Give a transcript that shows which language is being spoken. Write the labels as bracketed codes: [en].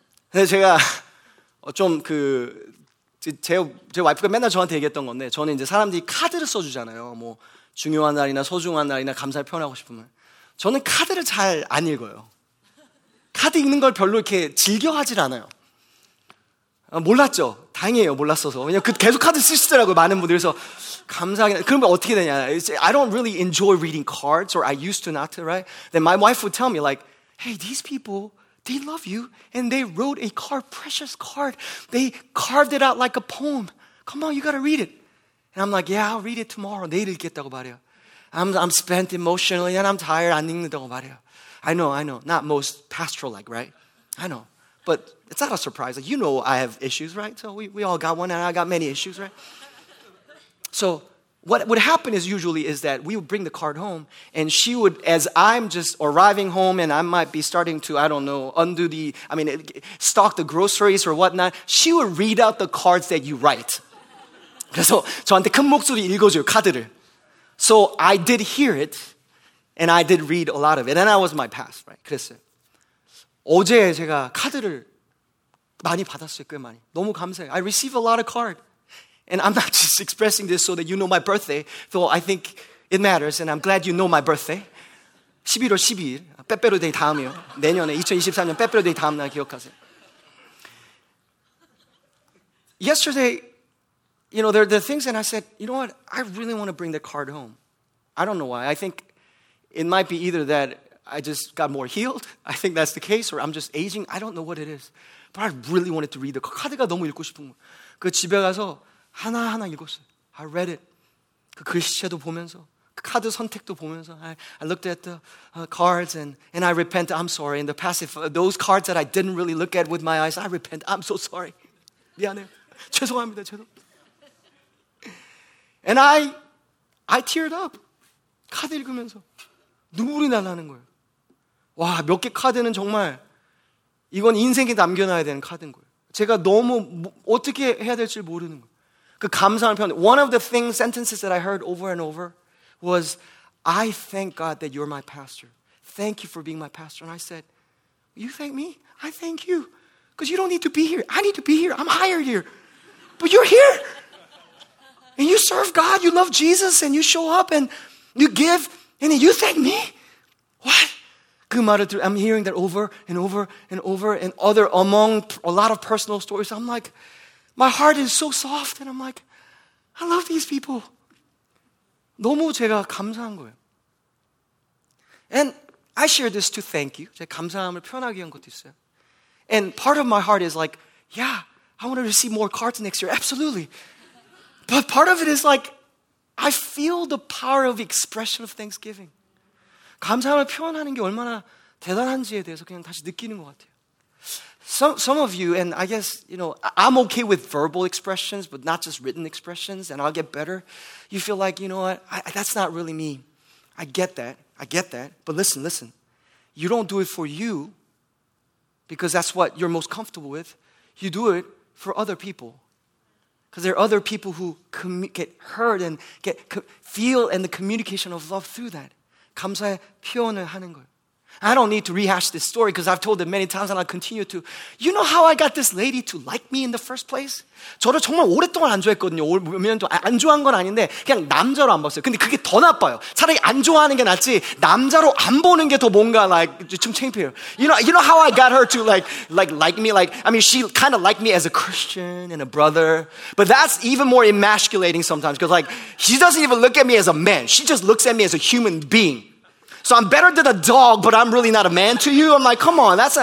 [ko] 근데 제가 좀 그 제 와이프가 맨날 저한테 얘기했던 건데 저는 이제 사람들이 카드를 써주잖아요. 뭐 중요한 날이나 소중한 날이나 감사를 표현하고 싶으면 저는 카드를 잘 안 읽어요. 카드 읽는 걸 별로 이렇게 즐겨하질 않아요. 몰랐죠. 다행이에요. 몰랐어서. 왜냐면 그 계속 카드 쓰시더라고요. 많은 분들. 그래서 감사하긴. 그러면 어떻게 되냐. [en] I don't really enjoy reading cards or I used to not, right? Then my wife would tell me like, hey, these people, they love you and they wrote a card, precious card. They carved it out like a poem. Come on, you gotta read it. And I'm like, yeah, I'll read it tomorrow. [ko] 내일 읽겠다고 말해요. [en] I'm spent emotionally and I'm tired. [ko] 안 읽는다고 말해요. [en] I know. Not most pastoral-like, right? I know. But it's not a surprise. Like, you know I have issues, right? So we all got one and I got many issues, right? So what would happen is usually is that we would bring the card home and she would, as I'm just arriving home and I might be starting to, I don't know, stock the groceries or whatnot, she would read out the cards that you write. [ko] 그래서 저한테 큰 목소리 읽어줘요, 카드를. [en] So I did hear it and I did read a lot of it. And that was my past, right? [ko] 그랬어요. 어제 제가 카드를 많이 받았어요, 꽤 많이. 너무 감사해요. [en] I receive a lot of cards. And I'm not just expressing this so that you know my birthday, though I think it matters, and I'm glad you know my birthday. [ko] 11월 12일, 빼빼로 데이 다음이요. 내년에, 2023년 빼빼로 데이 다음 날 기억하세요. [en] Yesterday, you know, there are the things, and I said, you know what, I really want to bring the card home. I don't know why. I think it might be either that I just got more healed, I think that's the case, or I'm just aging, I don't know what it is. But I really wanted to read the card. [ko] 카드가 너무 읽고 싶은 거. 그 집에 가서 하나하나 읽었어요. [en] I read it. [ko] 그 글씨체도 보면서, 그 카드 선택도 보면서, [en] I looked at the cards and I repent, I'm sorry. In the past, if those cards that I didn't really look at with my eyes, I repent, I'm so sorry. [ko] 미안해요. 죄송합니다, 죄송합니다. [en] And I teared up. [ko] 카드 읽으면서 눈물이 나는 거예요. 와, 몇 개 카드는 정말 이건 인생에 남겨놔야 되는 카드인 거예요. 제가 너무 어떻게 해야 될지 모르는 거예요. 그 감사한 표현. [en] One of the things, sentences that I heard over and over was, I thank God that you're my pastor. Thank you for being my pastor. And I said, you thank me? I thank you. Because you don't need to be here. I need to be here. I'm hired here. But you're here. And you serve God. You love Jesus. And you show up and you give. And you thank me? What? [ko] 그 말을 들어, [en] I'm hearing that over and over and over and other among a lot of personal stories. I'm like, my heart is so soft. And I'm like, I love these people. [ko] 너무 제가 감사한 거예요. [en] And I share this to thank you. [ko] 제 감사함을 표현하기 위한 것도 있어요. [en] And part of my heart is like, yeah, I want to receive more cards next year. Absolutely. But part of it is like, I feel the power of expression of thanksgiving. [ko] 감사함을 표현하는 게 얼마나 대단한지에 대해서 그냥 다시 느끼는 것 같아요. [en] Some of you, and I guess, you know, I'm okay with verbal expressions, but not just written expressions, and I'll get better. You feel like, you know what, that's not really me. I get that. But listen. You don't do it for you, because that's what you're most comfortable with. You do it for other people. Because there are other people who get hurt and feel and the communication of love through that. [ko] 감사의 표현을 하는 거예요. [en] I don't need to rehash this story because I've told it many times and I'll continue to. You know how I got this lady to like me in the first place? [ko] 저를 정말 오랫동안 안 좋아했거든요. 몇 년도 안 좋아한 건 아닌데 그냥 남자로 안 봤어요. 근데 그게 더 나빠요. 차라리 안 좋아하는 게 낫지 남자로 안 보는 게 더 뭔가 like 좀 창피해요. [en] You know how I got her to like me? Like, I mean, she kind of liked me as a Christian and a brother. But that's even more emasculating sometimes because like she doesn't even look at me as a man. She just looks at me as a human being. So I'm better than a dog, but I'm really not a man to you. I'm like, come on.